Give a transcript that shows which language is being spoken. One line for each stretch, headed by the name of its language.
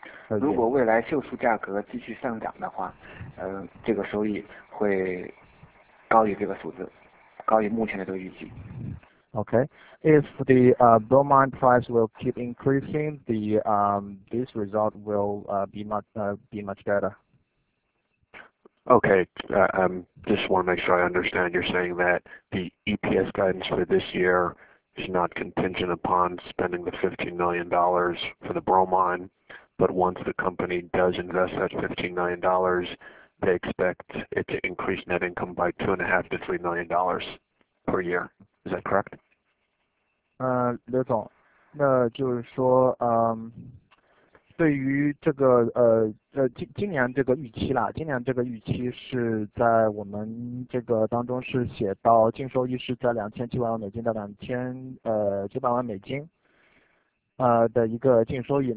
Chinese: 如果未来锈塑价格继续上涨的话，这个收益会高于这个数字，高于目前的这个预期。
English: Okay, if the bromine price will keep increasing, the this result will be much better. Okay, I just want to make sure I understand. You're saying that the EPS guidance for this year is not contingent upon spending the $15 million for the bromine, but once the company does invest that $15 million, they expect it to increase net income by $2.5 to $3 million per year. Is that correct?
Chinese: 刘总，那就是说，对于这个今年这个预期啦，今年这个预期是在我们这个当中是写到净收益是在2700万美金到2900万美金，的一个净收益。